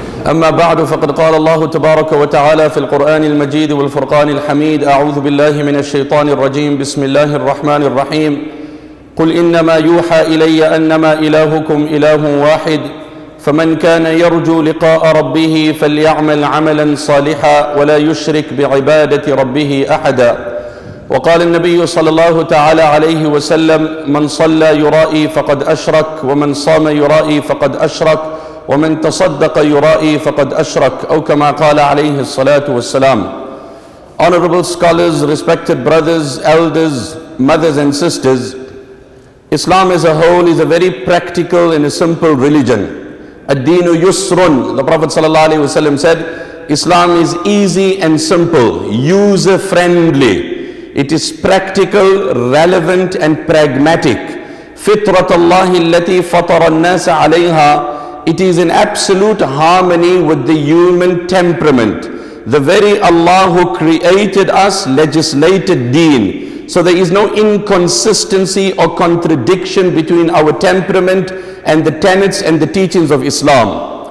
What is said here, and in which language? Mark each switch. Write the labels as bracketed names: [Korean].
[Arabic] أما بعد فقد قال الله تبارك وتعالى في القرآن المجيد والفرقان الحميد أعوذ بالله من الشيطان الرجيم بسم الله الرحمن الرحيم قل إنما يوحى إلي أنما إلهكم إله واحد فمن كان يرجو لقاء ربه فليعمل عملا صالحا ولا يشرك بعبادة ربه أحدا وقال النبي صلى الله تعالى عليه وسلم من صلى يرائي فقد أشرك ومن صام يرائي فقد أشرك ومن تصدق يرائي فقد أشرك أو كما قال عليه الصلاة والسلام. [English] Honorable scholars, respected brothers, elders, mothers and sisters, Islam as a whole is a very practical and a simple religion. [Arabic] الدين يسر. [English] The Prophet [Arabic] صلى الله عليه وسلم [English] said, Islam is easy and simple, user friendly. It is practical, relevant and pragmatic. [Arabic] فطرة الله التي فطر الناس عليها. [English] It is in absolute harmony with the human temperament. The very Allah who created us legislated deen. So there is no inconsistency or contradiction between our temperament and the tenets and the teachings of Islam.